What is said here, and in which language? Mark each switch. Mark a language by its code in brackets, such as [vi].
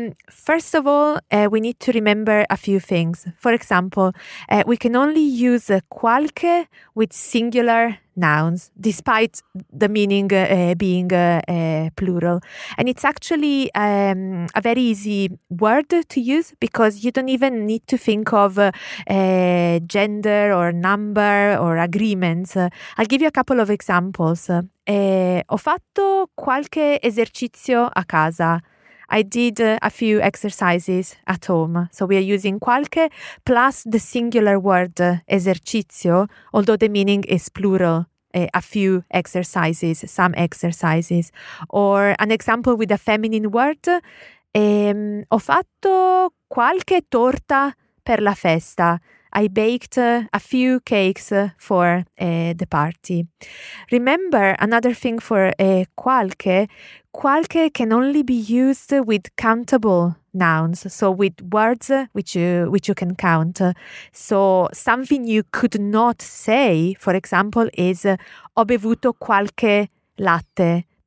[en] First of all, we need to remember a few things. For example, we can only use qualche with singular nouns, despite the meaning being plural. And it's actually a very easy word to use because you don't even need to think of gender or number or agreements. I'll give you a couple of examples. [it] Ho fatto qualche esercizio a casa. [en] I did a few exercises at home. So we are using qualche plus the singular word esercizio, although the meaning is plural, a few exercises, some exercises. Or an example with a feminine word, [it] ho fatto qualche torta per la festa. [en] I baked a few cakes for the party. Remember another thing for qualche. Qualche can only be used with countable nouns, so with words which you can count. So something you could not say, for example, is [it] ho bevuto qualche latte.